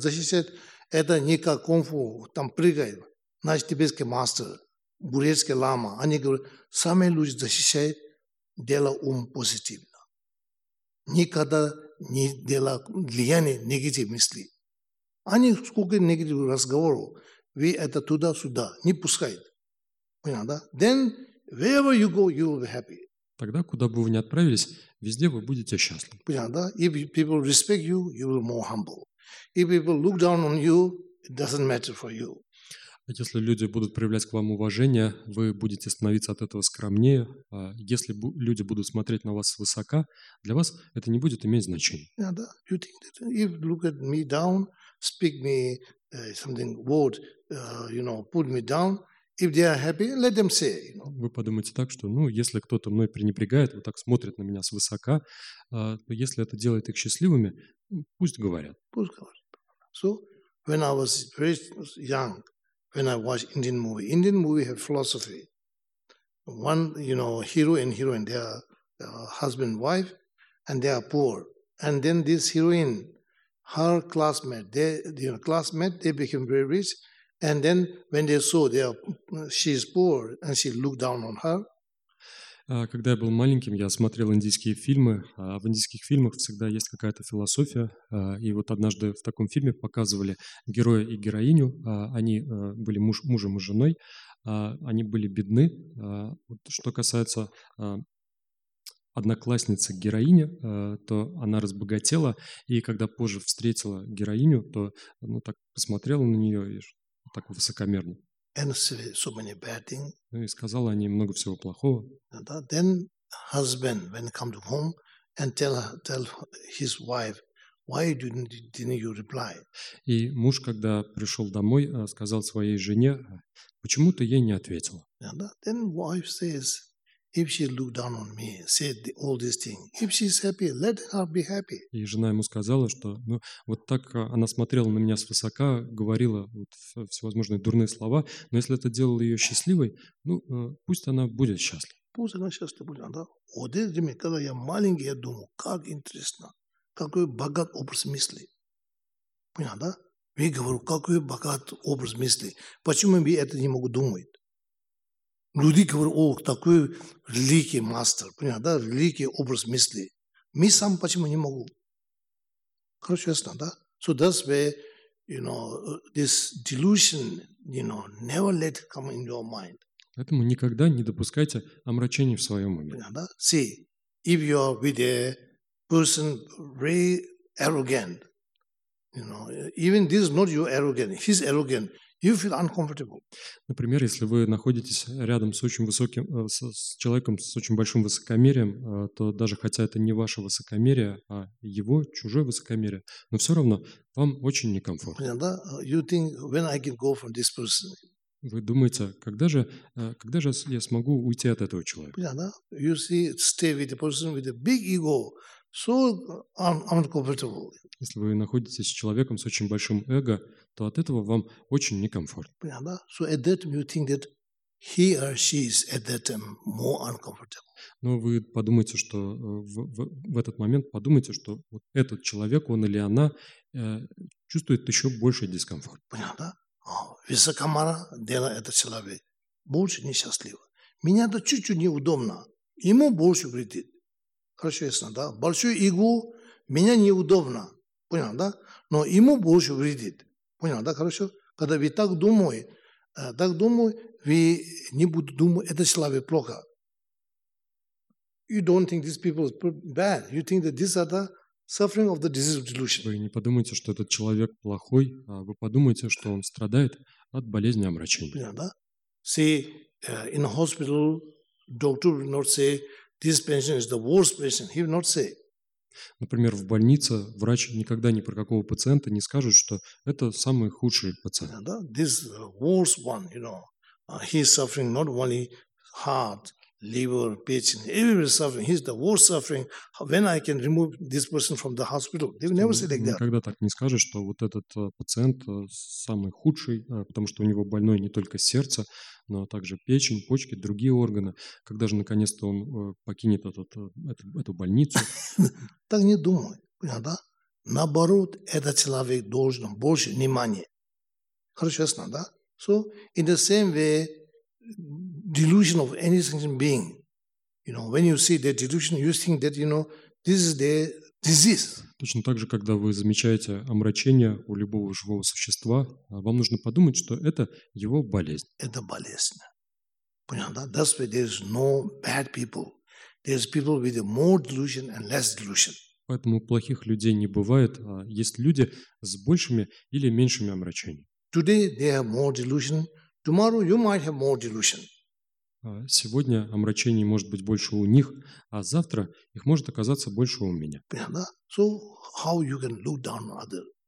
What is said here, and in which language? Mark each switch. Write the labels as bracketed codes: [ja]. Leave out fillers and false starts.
[ru] Защищают это не как кунг-фу, там прыгает. Наш тибетский мастер, бурецкий лама, они говорят, сами люди защищают, дело ум позитивно. Никогда не дело влияние негативных мыслей. Они сколько негативных разговоров, вы это туда-сюда не пускают. Понятно, да? [en] Then, wherever you go, you will be happy. [ru] Тогда, куда бы вы ни отправились, везде вы будете счастливы. Понятно, да? [en] If people respect you, you will be more humble. If people look down on you, it doesn't matter for you. [ru] Если люди будут проявлять к вам уважение, вы будете становиться от этого скромнее. Если люди будут смотреть на вас высоко, для вас это не будет иметь значения. [en] Yeah, you think that if look at me down, speak me something word, you know, put me down. If they are happy, let them say. You know. [ru] Вы подумайте так, что, ну, если кто-то мной пренебрегает, вот так смотрит на меня свысока, то если это делает их счастливыми, пусть говорят. Пусть говорят. [en] So, when I was very young, when I watched Indian movie have philosophy. One, you know, hero and heroine, they are husband and wife, and they are poor. And then this heroine, her classmate, their you know, classmate, they became very rich. And then when they saw she is poor and she looked down on her. [ru] Когда я был маленьким, я смотрел индийские фильмы. В индийских фильмах всегда есть какая-то философия. И вот однажды в таком фильме показывали героя и героиню. Они были мужем и женой. Они были бедны. Вот что касается одноклассница героини, то она разбогатела. И когда позже встретила героиню, то ну, так посмотрела на нее и так высокомерно. [en] And so many bad things. [ru] Ну и сказала они много всего плохого. [en] Then husband when come to home and tell his wife why didn't you reply? [ru] И муж когда пришел домой сказал своей жене почему ты ей не ответила? [en] Then wife says if she looked down on me said all these things if she's happy let her be happy. [ru] И жена ему сказала что ну вот так она смотрела на меня свысока говорила вот всевозможные дурные слова но если это делало ее счастливой ну пусть она будет счастлива. Пусть она счастлива будет, да? Вот это время, когда я маленький, я думал, как интересно, какой богат образ мысли. Понятно, да? Я говорю, какой богат образ мысли. Почему я это не могу думать? Люди говорят, о, такой великий мастер, понятно, да? Великий образ мысли. Мы сам почему не могу? Короче, ясно, да? [en] So that's where, you know, this delusion, you know, never let come in your mind. [ru] Поэтому никогда не допускайте омрачений в своем уме. [en] See, if you are with a person very arrogant, you know, even this is not your arrogant, he's arrogant, you feel uncomfortable. [ru] Например, если вы находитесь рядом с очень высоким, с человеком с очень большим высокомерием, то даже хотя это не ваше высокомерие, а его чужое высокомерие, но все равно вам очень некомфортно. [en] You think when I can go from this person? [ru] Вы думаете, когда же я смогу уйти от этого человека? Да, [en] you see, stay with a person with a big ego, so uncomfortable. [ru] Если вы находитесь с человеком с очень большим эго, то от этого вам очень некомфортно. Да, [en] so at that time you think that he or she is at that time more uncomfortable. [ru] Но вы подумаете, что в этот момент подумайте, что вот этот человек, он или она, чувствует еще больше дискомфорт. Понятно. Высокомара делает этот человек больше несчастливо. Меня это чуть-чуть неудобно. Ему больше вредит. Хорошо, ясно, да? Большой ego, меня неудобно. Понял, да? Но ему больше вредит. Понял, да? Хорошо? Когда вы так думаете, вы не будете думать, этот человек плохо. [en] You don't think these people are bad. You think that these are the suffering of the disease of delusion. [ru] Вы не подумайте, что этот человек плохой, а вы подумайте, что он страдает от болезни омрачения. Понятно, да? [en] See, in hospital, doctor will not say, this patient is the worst patient. He will not say. [ru] Например, в больнице врач никогда ни про какого пациента не скажет, что это самый худший пациент. Понятно, да? [en] This worst one, you know. He is suffering not only heart, liver, печень, everybody suffering. He's the worst suffering. When I can remove this person from the hospital? They never say like that. [ru] Никогда так не скажешь, что вот этот пациент самый худший, потому что у него больное не только сердце, но также печень, почки, другие органы. Когда же наконец-то он покинет эту больницу? Так не думай. Понятно, да? Наоборот, этот человек должен больше внимания. Хорошо, ясно, да? [en] So, in the same way, delusion of any sentient being. You know, when you see that delusion, you think that, you know, this is their disease. [ru] Точно так же, когда вы замечаете омрачение у любого живого существа, вам нужно подумать, что это его болезнь. Это болезнь. Понятно, да? [en] That's why there's no bad people. There's people with more delusion and less delusion. [ru] Поэтому плохих людей не бывает, а есть люди с большими или меньшими омрачениями. [en] Today they have more delusion. Tomorrow you might have more delusion. [ru] Сегодня омрачений может быть больше у них, а завтра их может оказаться больше у меня. [en] So how you can look down on others?